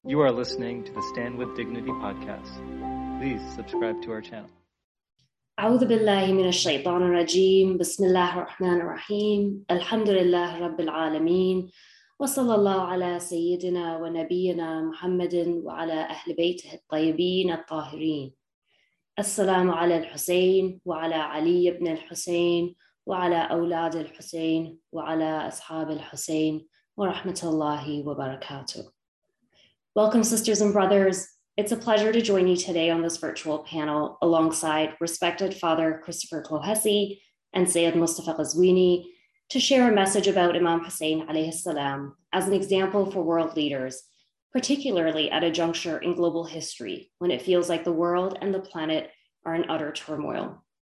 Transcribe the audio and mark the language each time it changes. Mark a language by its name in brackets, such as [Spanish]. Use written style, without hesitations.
[English] You are listening to the Stand With Dignity podcast. Please subscribe to our channel. [Arabic] أعوذ بالله من الشيطان الرجيم. بسم الله الرحمن الرحيم. الحمد لله رب العالمين. وصلى الله على سيدنا ونبينا محمد وعلى أهل بيته الطيبين الطاهرين. السلام على الحسين وعلى علي بن الحسين وعلى أولاد الحسين وعلى أصحاب الحسين ورحمة الله وبركاته. [English] Welcome, sisters and brothers. It's a pleasure to join you today on this virtual panel alongside respected Father Christopher Kohesi and Sayyid Mustafa Ghazwini to share a message about Imam Hussein alayhi salam as an example for world leaders, particularly at a juncture in global history when it feels like the world and the planet are in utter turmoil.